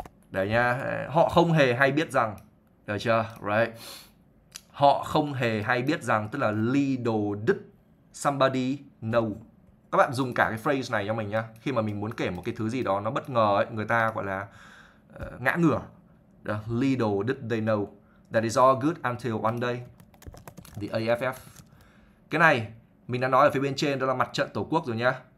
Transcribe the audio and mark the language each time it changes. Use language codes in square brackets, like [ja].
[vi] Đấy nha, họ không hề hay biết rằng. Được chưa? Right. Họ không hề hay biết rằng, tức là [en] little did somebody know. [vi] Các bạn dùng cả cái phrase này cho mình nhá. Khi mà mình muốn kể một cái thứ gì đó nó bất ngờ ấy, người ta gọi là ngã ngửa. [en] Little did they know that is all good until one day the AFF. [vi] Cái này mình đã nói ở phía bên trên, đó là mặt trận Tổ quốc rồi nhá.